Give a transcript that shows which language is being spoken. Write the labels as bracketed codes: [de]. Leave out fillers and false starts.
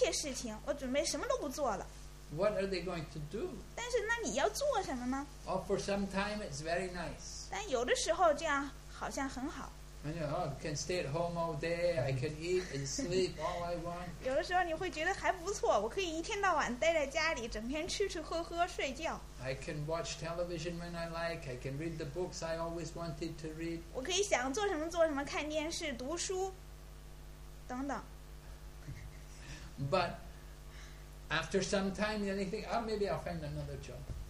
[zh] 有些人这么想，我准备放弃一切事情，我准备什么都不做了。 [en] What are they going to do? [zh] 但是那你要做什么呢？ [en] Oh, for some time it's very nice. [zh] 但有的时候这样好像很好。 [en] I know, oh, I can stay at home all day, I can eat and sleep all I want. [zh] 有的时候你会觉得还不错, 我可以一天到晚待在家里,整天吃吃喝喝,睡觉。 [en] I can watch television when I like, I can read the books I always wanted to read. [zh] 我可以想做什么做什么,看电视,读书,等等。 [en] But after some time, then you think, oh, maybe I'll find another job.